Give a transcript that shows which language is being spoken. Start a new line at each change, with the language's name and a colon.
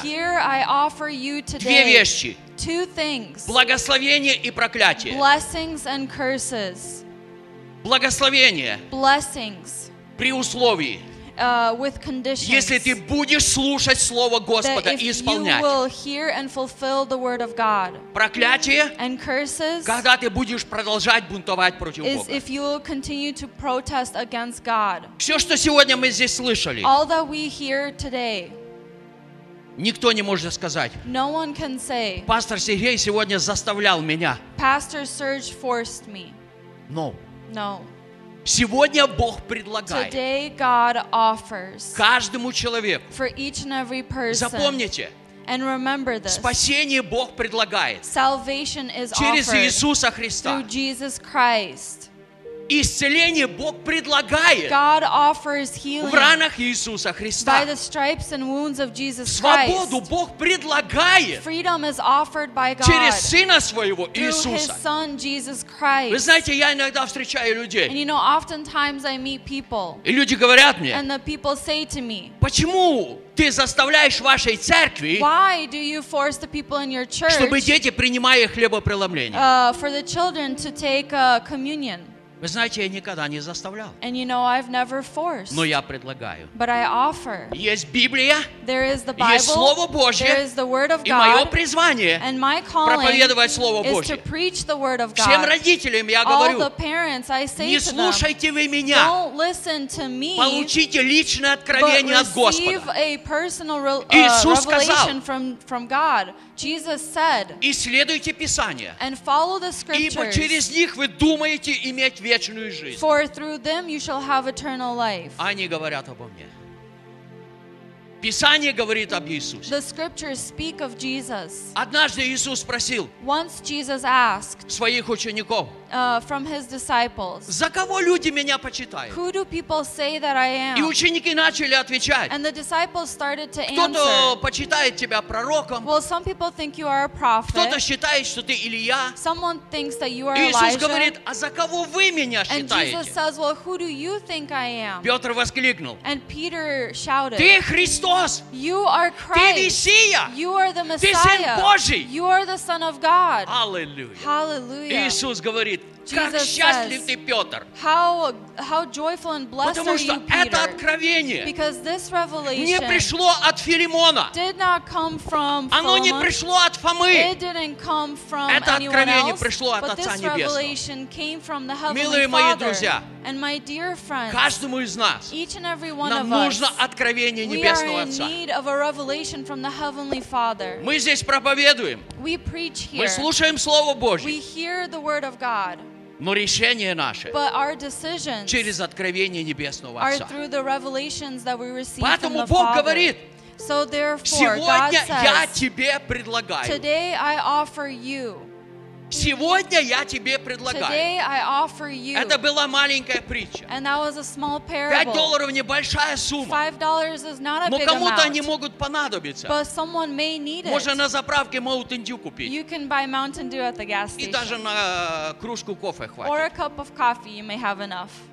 English: Here I offer you today.
Russian: Две вещи.
English: Two things.
Russian: Благословение и проклятие.
English: Blessings and curses.
Russian: Благословение.
English: Blessings.
Russian: При условии.
English: With conditions.
Russian: Если ты будешь слушать слово Господа и исполнять.
English: That if you will hear and fulfill the word of God.
Russian: Проклятие.
English: And curses.
Russian: Когда ты будешь продолжать бунтовать против Бога.
English: Is if you will continue to protest against God.
Russian: Все, что сегодня мы здесь слышали.
English: All that we hear today.
Russian: Никто не может сказать.
English: No one can say.
Russian: Пастор Сергей сегодня заставлял меня.
English: Pastor Serge forced me. No. No.
Russian: Сегодня Бог предлагает.
English: Today God offers.
Russian: Каждому человеку.
English: For each and every person.
Russian: Запомните.
English: And remember this.
Russian: Спасение Бог предлагает.
English: Salvation is offered.
Russian: Через Иисуса Христа.
English: Through Jesus Christ.
Russian: Исцеление Бог предлагает.
English: God offers healing.
Russian: В ранах Иисуса Христа.
English: By the stripes and wounds of Jesus Christ.
Russian: Свободу Бог предлагает.
English: Freedom is offered by God.
Russian: Через Сына Своего Иисуса.
English: Through His Son Jesus Christ.
Russian: Вы знаете, я иногда встречаю людей.
English: And you know, oftentimes I meet people.
Russian: И люди говорят мне.
English: And the people say to me.
Russian: Почему ты заставляешь вашей церкви?
English: Why do you force the people in your church?
Russian: Чтобы дети принимали хлебопреломление.
English: For the children to take communion.
Russian: Вы знаете, я никогда не заставлял.
English: And you know, I've never forced.
Russian: Но я предлагаю.
English: But I offer.
Russian: Есть Библия.
English: There is the Bible.
Russian: Есть Слово Божье.
English: There is the word of God.
Russian: И мое призвание.
English: And my calling.
Russian: Проповедовать Слово Божье.
English: Is to preach the word of God.
Russian: Всем родителям я
English: All
Russian: говорю.
English: All the parents, I say to them.
Russian: Не слушайте вы меня.
English: Don't listen to me.
Russian: Получите личное откровение от Господа.
English: But receive a personal revelation from God. Jesus said.
Russian: И следуйте Писанию.
English: And follow the scriptures.
Russian: Ибо через них вы думаете иметь вечную жизнь.
English: For through them you shall have eternal life.
Russian: Они говорят обо мне. Писание говорит об Иисусе.
English: The scriptures speak of Jesus.
Russian: Однажды Иисус спросил.
English: Once Jesus asked.
Russian: Своих учеников.
English: From his disciples.
Russian: За кого люди меня почитают?
English: Who do people say that I am?
Russian: И ученики начали отвечать.
English: And the disciples started to answer.
Russian: Кто-то почитает тебя пророком.
English: Well, some people think you are a prophet.
Russian: Кто-то считает, что ты Илия.
English: Someone thinks that you are
Russian: Иисус
English: Elijah.
Russian: Иисус говорит, а за кого вы меня считаете?
English: And Jesus says, well, who do you think I am?
Russian: Петр воскликнул.
English: And Peter shouted.
Russian: Ты Христос.
English: You are Christ.
Russian: Ты Мессия.
English: You are the Messiah.
Russian: Ты Сын Божий.
English: You are the Son of God. Hallelujah. Hallelujah.
Russian: Иисус говорит. Как счастлив ты, Петр.
English: How joyful and blessed are you, Peter.
Russian: Потому что это откровение.
English: Because this revelation.
Russian: Не пришло от Филимона.
English: Did not come from.
Russian: Оно не пришло от Фомы.
English: It didn't come from anyone else.
Russian: Это откровение пришло от Отца Небесного.
English: But this revelation came from the Heavenly
Russian: Father. Милые мои друзья.
English: And my dear friends.
Russian: Каждому из нас.
English: Each and every one of us.
Russian: Нам нужно откровение Небесного Отца.
English: We are in need of a revelation from the Heavenly Father.
Russian: Мы здесь проповедуем.
English: We preach here.
Russian: Мы слушаем Слово Божье.
English: We hear the word of God.
Russian: Но решение наше
English: But our decisions
Russian: через откровение Небесного Отца.
English: Are through the revelations that we receive
Russian: Поэтому
English: from the
Russian: Бог
English: Father.
Russian: Говорит,
English: so therefore,
Russian: сегодня
English: God says,
Russian: я тебе предлагаю.
English: Today I offer you.
Russian: Сегодня я тебе предлагаю. Это была маленькая притча. $5 небольшая сумма. Но кому-то они могут понадобиться. Можно на заправке Mountain Dew купить.
English: You can buy Mountain Dew at the gas station.
Russian: И даже на кружку кофе хватит.
English: Or a cup of coffee, you may have enough.